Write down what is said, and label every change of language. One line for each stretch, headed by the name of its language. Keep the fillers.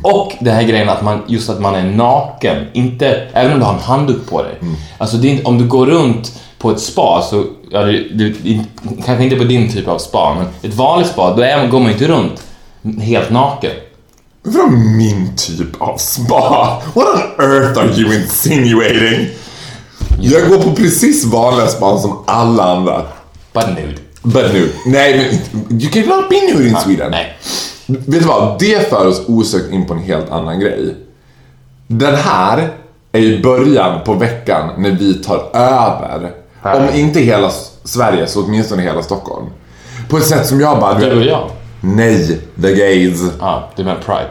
Swedish: Och den här grejen att man, just att man är naken, inte, även om du har en handduk på dig. Mm. Alltså det är inte, om du går runt på ett spa så, ja, du, du, du, kanske inte på din typ av spa, men ett vanligt spa, då är, går man inte runt helt naken. Vadå min typ av spa?
English: What on earth are you insinuating?
Swedish: Yeah. Jag går på precis vanliga spa som alla andra.
English: But nude. But nude.
Swedish: Nej, men
English: you cannot be nude in Sweden.
Swedish: Nej. Vet du vad? Det för oss osökt in på en helt annan grej. Den här är i början på veckan när vi tar över här. Om inte hela Sverige så åtminstone hela Stockholm. På ett sätt som jag bara... Nu, det vill jag. Nej,
English: the gays.
Swedish: Ja, ah, det menar Pride.